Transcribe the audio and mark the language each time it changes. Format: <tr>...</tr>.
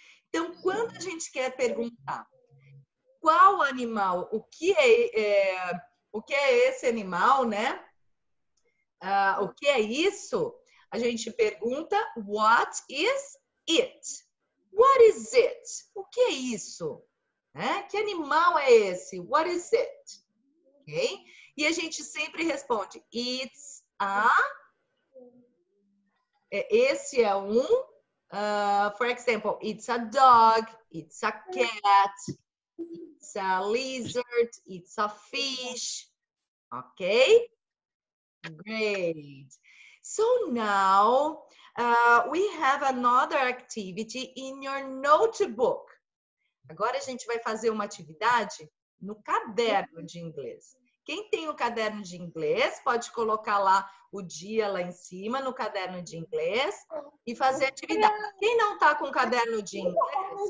<pt>Então, quando a gente quer perguntar qual animal, o que é esse animal, né? O que é isso? A gente pergunta,</pt> <en>what is it? What is it?</en> <pt>O que é isso? Né? Que animal é esse?</pt> <en>What is it?</en> <pt>Ok? E a gente sempre responde,</pt> <en>it's a...</en> <pt>Esse é um...</pt> <en>for example, it's a dog, it's a cat, it's a lizard, it's a fish. Ok? Great. So now... we have another activity in your notebook.</en> <pt>Agora a gente vai fazer uma atividade no caderno de inglês. Quem tem o caderno de inglês, pode colocar lá o dia lá em cima no caderno de inglês e fazer a atividade. Quem não tá com o caderno de inglês?</pt>